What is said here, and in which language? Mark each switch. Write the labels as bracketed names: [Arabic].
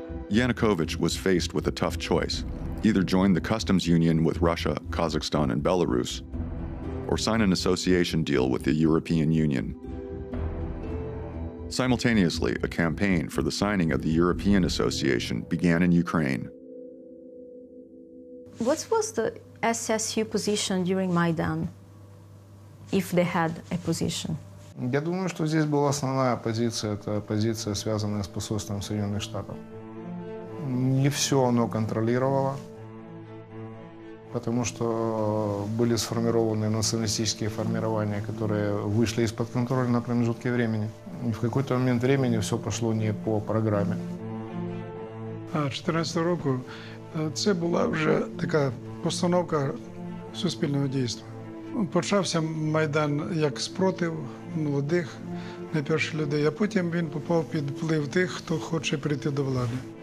[English] Yanukovych was faced with a tough choice: either join the customs union with Russia, Kazakhstan, and Belarus, or sign an association deal with the European Union. Simultaneously, a campaign for the signing of the European Association began in Ukraine. What was the SSU position during Maidan, if they had a position? [Russian] Я думаю, что здесь была основная позиция, это позиция, связанная с посольством Соединенных Штатов. Не все оно контролировало, потому что были сформированы националистические формирования, которые вышли из-под контроля на промежутке времени. И в какой-то момент времени все пошло не по программе. [Ukrainian] А 14-го року це була вже така постановка суспільного дійства. Почався Майдан як спротив молодих, найперших людей, а потім він попав під вплив тих, хто хоче прийти до влади.